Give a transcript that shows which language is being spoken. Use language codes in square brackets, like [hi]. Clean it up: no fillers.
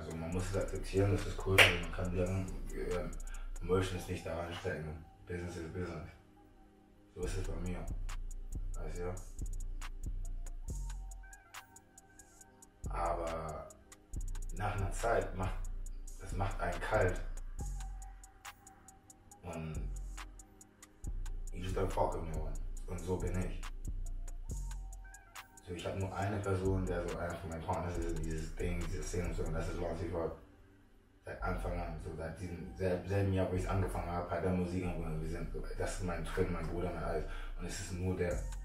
[de] Also man muss es akzeptieren, das ist cool. Man kann sagen, Emotion ist nicht da reinstecken. [en] Business is business. [de] So ist es bei mir. Weißt du ja? Aber nach einer Zeit, das macht einen kalt. und [en] you just don't fuck with no one. [de] Und so bin ich. So, ich habe nur eine Person, der so einer von meinen Partnern ist, dieses Ding, dieses Szene und so, und das ist was ich war seit Anfang an, so seit diesem selben Jahr, wo ich es angefangen habe, bei der Musik und wir sind, das ist mein Twin, mein Bruder, mein alles. Und es ist nur der.